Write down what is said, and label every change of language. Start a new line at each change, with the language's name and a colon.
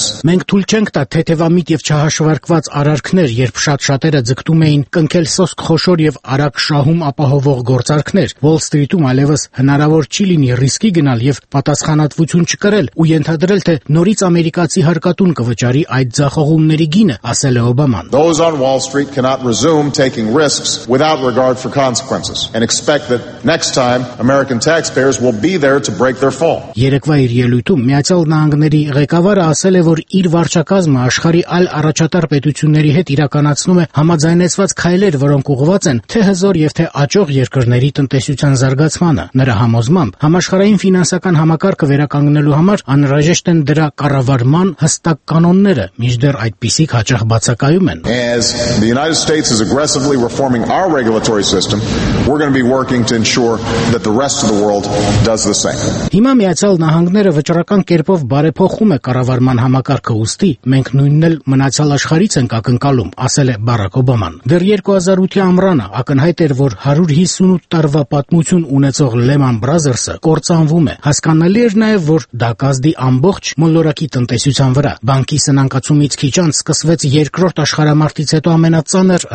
Armenian: Մենք թույլ չենք տա թեթևամիտ եւ չհաշվարկված արարքներ, երբ շատ-շատերը ձգտում էին կնքել սոսկ խոշոր եւ արագ շահում ապահովող գործարքներ։ Wall Street-ում ալևս հնարավոր չի լինի ռիսկի գնալ եւ պատասխանատվություն չկրել ու ենթադրել, թե նորից ամերիկացի հարկատուն կվճարի այդ ձախողումների գինը, ասել է Օբաման։
English: Wall Street cannot resume taking risks without regard for consequences and expect that next time American taxpayers will be there to break their fall.
Armenian: Երեկվա իր ելույթում Միացյալ Նահանգների ղեկավարը ասել է, որ իր վարչակազմը աշխարի այլ առաջատար պետությունների հետ իրականացնում է համաձայնեցված քայլեր, որոնք ուղղված են թե հզոր եւ թե աճող երկրների տնտեսության զարգացմանը։ Նրա համոզմամբ, համաշխարհային ֆինանսական համակարգը վերականգնելու համար անհրաժեշտ են դրա կառավարման հստակ կանոնները, միջդեռ այդպիսիք հաճախ բացակայում են։
English: As the United States is aggressively reforming our regulatory system, we're going to be working to ensure that the rest of the world does the same.
Armenian: Հիմա Միացյալ Նահանգները վճռական կերպով բարեփոխում է կառավարման համակարգը ուստի, մենք նույնն էլ մնացյալ աշխարից ենք ակնկալում, ասել է Բարակ Օբաման։ Դեռ 2008-ի ամռանը ակնհայտ էր, որ 158 տարվա պատմություն ունեցող Lehman Brothers-ը կործանվում է։ Հասկանալի էր նաև, որ դա կազդի ամբողջ մոլորակի տնտեսության վրա։ Բանկի սնանկացումից քիչ անց սկսվեց երկրորդ աշխարհամարտից հետո ամենածանր